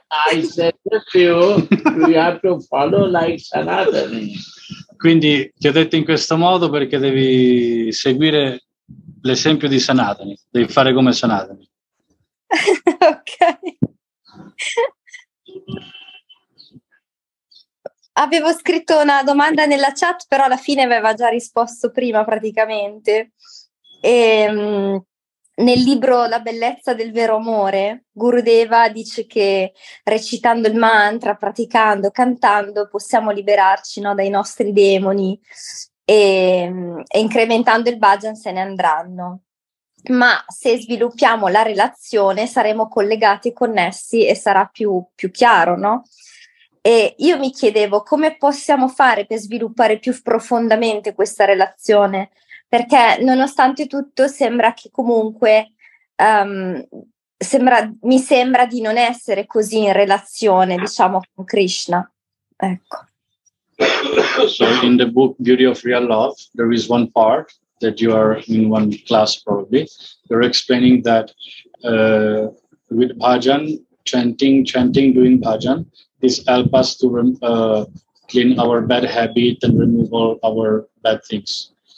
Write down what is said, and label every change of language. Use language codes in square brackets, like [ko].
[en] I suggest you, you have to follow like Sanatana. [it] Quindi ti ho detto in questo modo perché devi seguire l'esempio di Sanatana, devi fare come Sanatana. Ok. Avevo scritto una domanda nella chat, però alla fine aveva già risposto prima praticamente. E, nel libro La bellezza del vero amore, Gurudeva dice che recitando il mantra, praticando, cantando, possiamo liberarci, no, dai nostri demoni e incrementando il bhajan se ne andranno. Ma se sviluppiamo la relazione saremo collegati e connessi e sarà più chiaro, no? E io mi chiedevo come possiamo fare per sviluppare più profondamente questa relazione, perché nonostante tutto sembra che comunque mi sembra di non essere così in relazione, diciamo, con Krishna. Ecco. [en] So in the book Beauty of Real Love there is one part that you are in one class probably, you're explaining that with bhajan, chanting, doing bhajan, this help us to clean our bad habit and remove all our bad things.